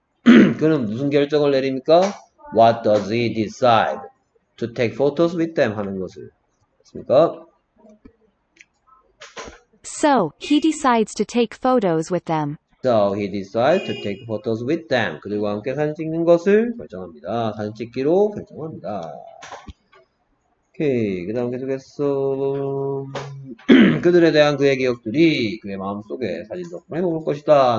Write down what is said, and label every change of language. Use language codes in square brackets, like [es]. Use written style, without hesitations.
[ko] 그는 무슨 결정을 내립니까? [en] What does he decide to take photos with them [ko] 하는 것을. 맞습니까? [en] So he decides to take photos with them. So he decides to take photos with them. [ko] 그들과 함께 사진 찍는 것을 결정합니다. 사진 찍기로 결정합니다. 오케이. 그 다음 계속했어. 그들에 대한 그의 기억들이 그의 마음속에 사진 작품을 해볼 것이다.